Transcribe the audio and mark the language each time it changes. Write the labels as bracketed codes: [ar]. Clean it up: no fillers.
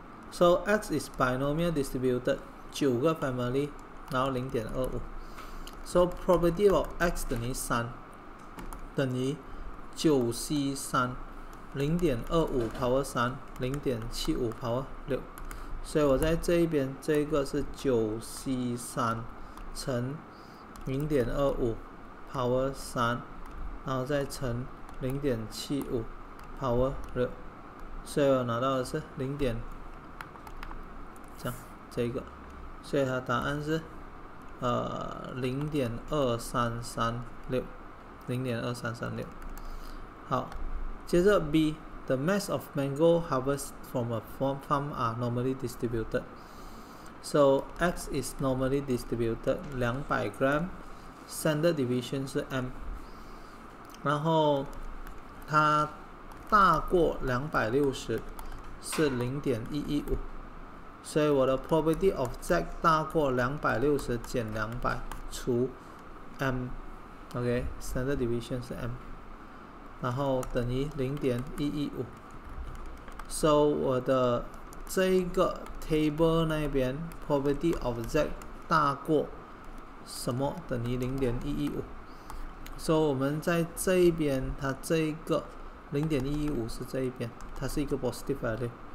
[en] So X is binomial distributed, [zh] 9个 [en] family, [zh] 然后 [en] 0.25. So probability of X [zh] 等于 [en] 3, 等于 9C3, 0.25 power 3, 0.75 power 6. [zh] 所以我在这一边，这一个是 9C3 乘 0.25 [en] power 3, [zh] 然后再乘 0.75 [en] power 6. [zh] 所以我拿到的是 0.25这样，这个，所以它答案是，0.2336, 0.2336。好，接着 [en] B, the mass of mango harvest from a farm are normally distributed. So X is normally distributed 200 gram, standard deviation [zh] 是 [en] M. [zh] 然后它大过260是 0.115。所以我的 [en] probability of Z [zh] 大过260减200除 M, [en] OK, standard deviation [zh] 是 M, 然后等于 0.115. [en] So [zh] 我的这一个 [en] table [zh] 那边 [en] probability of Z [zh] 大过什么等于 0.115. [en] So [zh] 我们在这一边，它这一个 0.115 是这一边，它是一个 [en] positive value。